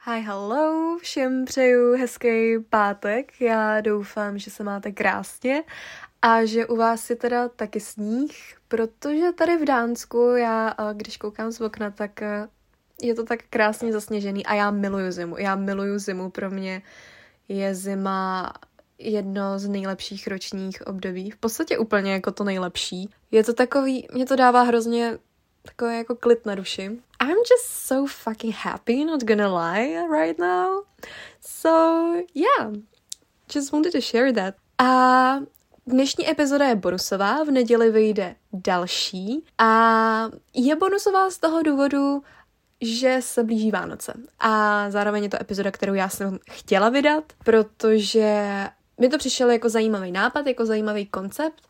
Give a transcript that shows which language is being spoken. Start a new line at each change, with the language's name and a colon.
Czech: Hi, hello, všem přeju hezký pátek, já doufám, že se máte krásně a že u vás je teda taky sníh, protože tady v Dánsku já, když koukám z okna, tak je to tak krásně zasněžený a já miluju zimu, pro mě je zima jedno z nejlepších ročních období, v podstatě úplně jako to nejlepší, je to takový, mě to dává hrozně takový jako klid na duši.
English: I'm just so fucking happy, not gonna lie right now. So, yeah, just wanted to share that.
Czech: A dnešní epizoda je bonusová, v neděli vyjde další. A je bonusová z toho důvodu, že se blíží Vánoce. A zároveň je to epizoda, kterou já jsem chtěla vydat, protože mi to přišlo jako zajímavý nápad, jako zajímavý koncept.